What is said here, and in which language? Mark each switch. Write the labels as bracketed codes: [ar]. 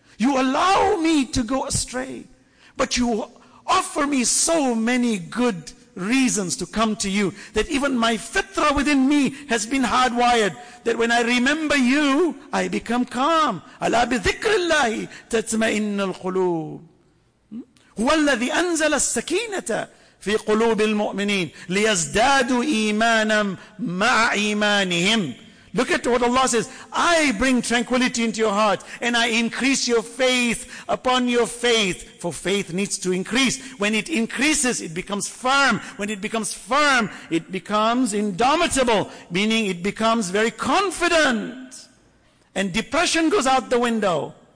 [en] You allow me to go astray. But you offer me so many good reasons to come to you that even my fitrah within me has been hardwired. That when I remember you, I become calm. [ar] أَلَا بِذِكْرِ اللَّهِ تَتْمَئِنَّ الْقُلُوبِ. هو الذي أنزل السكينة في قلوب المؤمنين ليزدادوا إيمانا مع إيمانهم. [en] Look at what Allah says. I bring tranquility into your heart and I increase your faith upon your faith. For faith needs to increase. When it increases, it becomes firm. When it becomes firm, it becomes indomitable. Meaning it becomes very confident. And depression goes out the window.